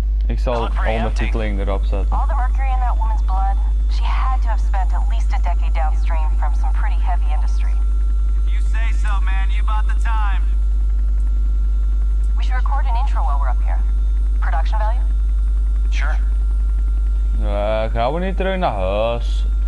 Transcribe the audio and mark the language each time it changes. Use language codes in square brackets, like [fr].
[nl] Ik zal ondertiteling erop zetten. [en] All the mercury in that woman's blood, she had to have spent at least a decade downstream from some pretty heavy industry. You say so, man. You bought the time. We should record an intro while we're up here. Production value? Sure. [nl] Gaan we niet terug naar huis?